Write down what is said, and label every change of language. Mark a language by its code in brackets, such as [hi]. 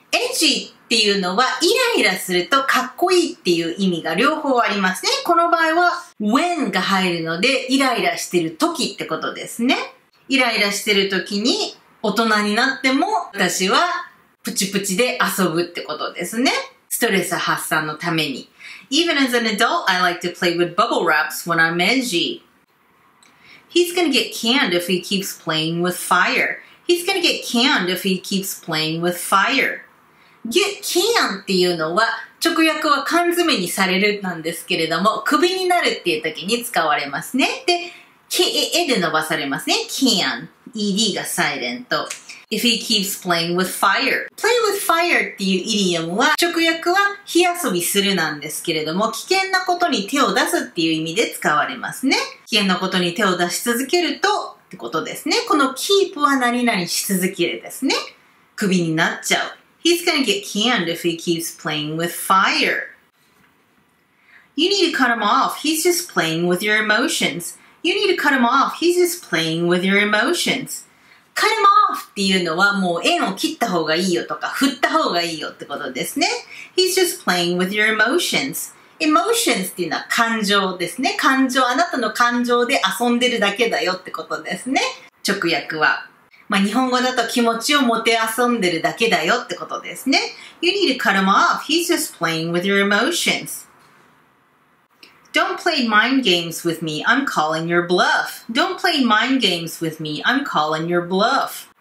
[ja] edgy っていうのはイライラするとかっこいいっていう意味が両方ありますね。この場合は when が入るのでイライラしてる時ってことですね。イライラしてる時に大人になっても私はプチプチで遊ぶってことですね。ストレス発散のために。 [en] Even as an adult, I like to play with bubble wraps when I'm edgy.He's gonna get canned if he keeps playing with fire.He's gonna get canned if he keeps playing with fire.Get [ja] canned っていうのは直訳は缶詰にされるなんですけれども、首になるっていう時に使われますね。でKAA で伸ばされますね。can. ED がサイレント。 [en] If he keeps playing with fire. [ja] Play with fire っていうイディオムは直訳は火遊びするなんですけれども、危険なことに手を出すっていう意味で使われますね。危険なことに手を出し続けるとってことですね。この keep は何々し続けるですね。首になっちゃう。 [en] He's gonna get canned if he keeps playing with fire. You need to cut him off. He's just playing with your emotions. You need to cut him off. He's just playing with your emotions. [ja] Cut him off っていうのはもう縁を切った方がいいよとか振った方がいいよってことですね。 [en] He's just playing with your emotions. [ja] Emotions っていうのは感情ですね。感情、あなたの感情で遊んでるだけだよってことですね。直訳は。まあ日本語だと気持ちをもて遊んでるだけだよってことですね。 [en] You need to cut him off. He's just playing with your emotions. Don't play mind games with me, I'm calling your bluff. Don't play mind games with me, I'm calling your bluff.